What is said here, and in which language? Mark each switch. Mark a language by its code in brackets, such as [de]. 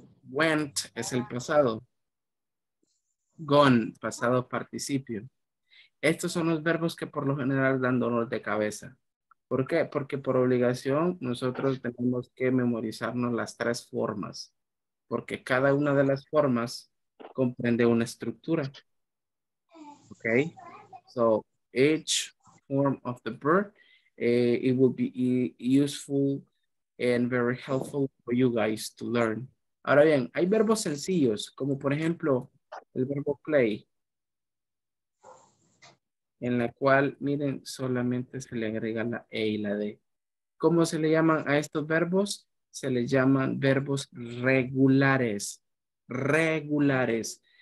[es] Went es el pasado. Gone, pasado participio. Estos son los verbos que por lo general dan dolor de cabeza. ¿Por qué? Porque por obligación nosotros tenemos que memorizarnos las 3 formas. Porque cada una de las formas comprende una estructura. [en] Okay, so each form of the verb, it will be useful and very helpful for you guys to learn. [es] Ahora bien, hay verbos sencillos, como por ejemplo, el verbo play, en la cual, miren, solamente se le agrega la E y la D. ¿Cómo se le llaman a estos verbos? se le llaman verbos regulares. Regulares.